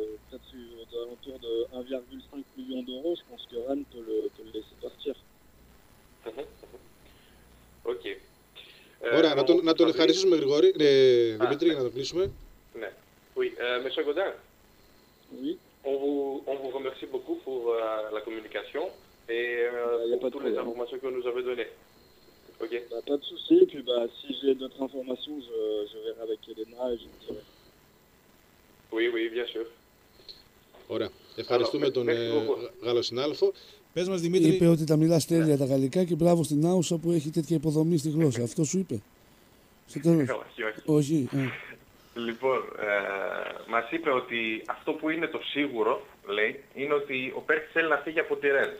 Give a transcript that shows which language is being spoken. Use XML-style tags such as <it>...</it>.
<fr>peut-être aux alentours de 1,5 million d'euros, je pense que Rennes peut le laisser partir. Ok.</fr> <el>Ωραία, να τον ευχαριστήσουμε, Γρηγόρη. Δημήτρη, για να τον κλείσουμε. Ναι.</el> <fr>Oui, monsieur Godin. Oui. On vous remercie beaucoup pour la communication et pour toutes les informations que vous nous avez données. Ok. Pas de soucis, et puis si j'ai d'autres informations, je verrai avec Elena et je vous dirai.</fr> <el>Ωραία. Ευχαριστούμε τον Γάλλο συνάδελφο. Πες μας, Δημήτρη. Είπε ότι τα μιλάς τέλεια τα γαλλικά και μπράβο στην Άουσα που έχει τέτοια υποδομή στη γλώσσα. Αυτό σου είπε. Στο τέλος. Όχι. Λοιπόν, μας είπε ότι αυτό που είναι το σίγουρο, λέει, είναι ότι ο Πέρτης θέλει να φύγει από τη ΡΕΝ.</el>